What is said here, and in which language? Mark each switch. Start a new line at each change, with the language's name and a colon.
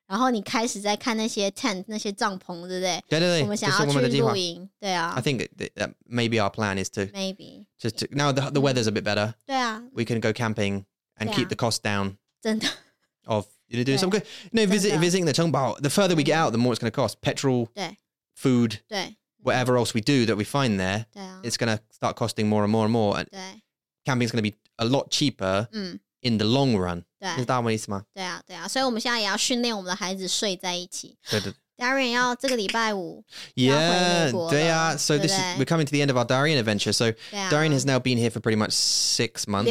Chinese: 然后我们下一个计划就是要去露营，因为最近天气越来越好了。然后你开始在看那些 tent 那些帐篷，对不对？对对对。我们想要去露营，对啊。
English: I think that maybe our plan is to maybe just to, now the weather's a bit better. We can go camping and keep the cost down.
Chinese: 真的.
English: Of you know doing some good. No, visiting the 城堡. The further we get out, the more it's going to cost. Petrol. Food. Whatever else we do that we find there, it's going to start costing more and more and more. And camping is going to be a lot cheaper in the long run. Is that what you mean?
Chinese: 对啊，所以我们现在也要训练我们的孩子睡在一起。 Darian要这个礼拜五要回美国了。
English: So this is, we're coming to the end of our Darian adventure. So Darian has now been here for pretty much 6 months.